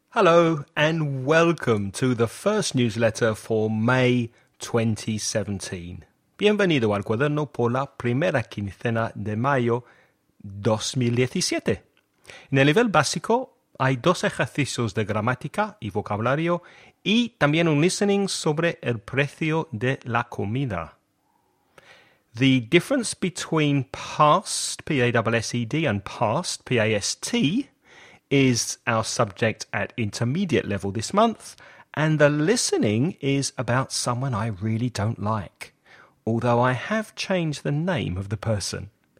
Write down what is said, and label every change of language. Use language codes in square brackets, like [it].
[en] Hello and welcome to the first newsletter for May 2017. [es] Bienvenido al cuaderno por la primera quincena de mayo 2017. En el nivel básico hay dos ejercicios de gramática y vocabulario y también un listening sobre el precio de la comida. [en] The difference between past, P-A-S-S-E-D, and past, P-A-S-T, is our subject at intermediate level this month, and the listening is about someone I really don't like, although I have changed the name of the person.